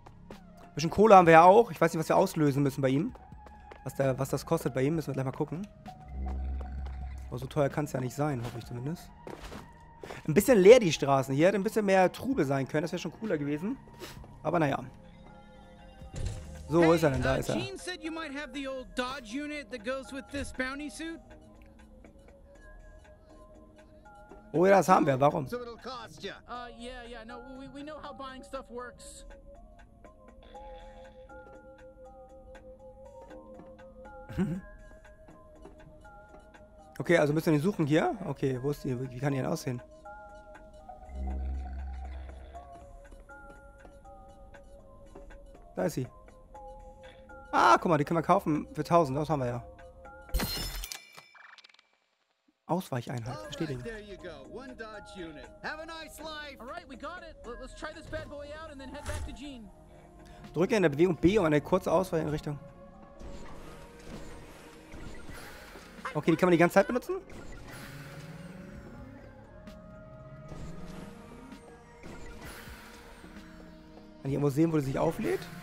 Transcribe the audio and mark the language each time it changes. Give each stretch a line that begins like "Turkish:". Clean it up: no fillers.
German: Ein bisschen Kohle haben wir ja auch. Ich weiß nicht, was wir auslösen müssen bei ihm. Was das kostet bei ihm, müssen wir gleich mal gucken. Aber so teuer kann es ja nicht sein, hoffe ich zumindest. Ein bisschen leer die Straßen hier. Hätte ein bisschen mehr Trubel sein können. Das wäre schon cooler gewesen. Aber naja. So, wo ist er denn? Da ist er.
English: Gene said you might have the old Dodge unit that goes with this bounty suit.
German: Oh ja, das haben wir. Warum?
English: So it'll cost ya. Yeah. No, we know how buying stuff works.
German: Okay, also müssen wir ihn suchen hier. Okay, wo ist die? Wie kann die denn aussehen? Da ist sie. Ah, guck mal, die können wir kaufen für 1000. Das haben wir ja. Ausweicheinheit. Versteht ihr?
English: There you go. One Dodge unit. Have a nice life. All right, we got it. Let's try this bad boy out and then head back to Gene.
German: Drücke in der Bewegung B, um eine kurze Auswahl in Richtung. Okay, die kann man die ganze Zeit benutzen. Kann ich irgendwo sehen, wo sie sich auflädt?